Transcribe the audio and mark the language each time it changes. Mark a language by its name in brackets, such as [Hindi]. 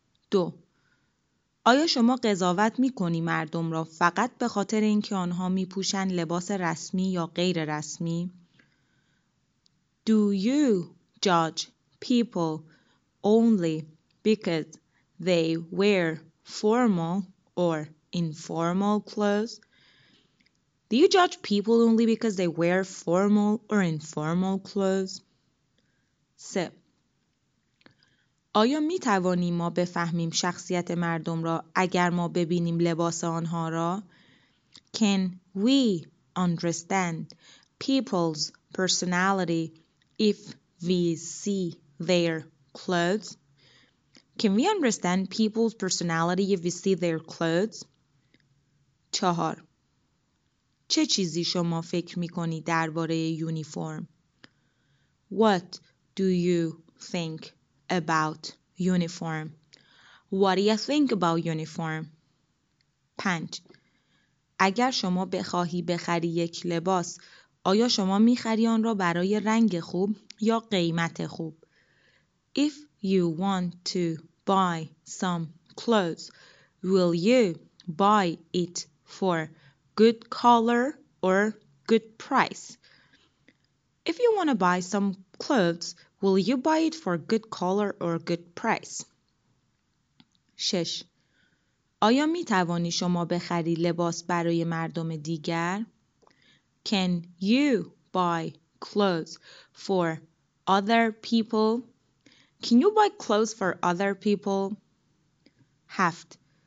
[Persian] 2 آیا شما قضاوت می‌کنی مردم را فقط به خاطر اینکه آنها می‌پوشند لباس رسمی یا غیر رسمی؟ [English] Do you judge people only because they wear formal or informal clothes? Do you judge people only because they wear formal or informal clothes? [Persian] 3. آیا می توانیم ما بفهمیم شخصیت مردم را اگر ما ببینیم لباس آنها را؟ [English] Can we understand people's personality if we see their clothes? Can we understand people's personality if we see their clothes? 4. [Persian] چه چیزی شما فکر می کنید درباره یونیفرم؟ [English] What do you think about uniform? What do you think about uniform? 5. [Persian] اگر شما بخواهی بخری یک لباس، آیا شما می‌خری آن را برای رنگ خوب یا قیمت خوب؟ [English] If you want to buy some clothes, will you buy it for good color or good price? If you want to buy some clothes, will you buy it for good color or good price? 6. [Persian] آیا می توانی شما بخری لباس برای مردم دیگر؟ [English] Can you buy clothes for other people? Can you buy clothes for other people? 7.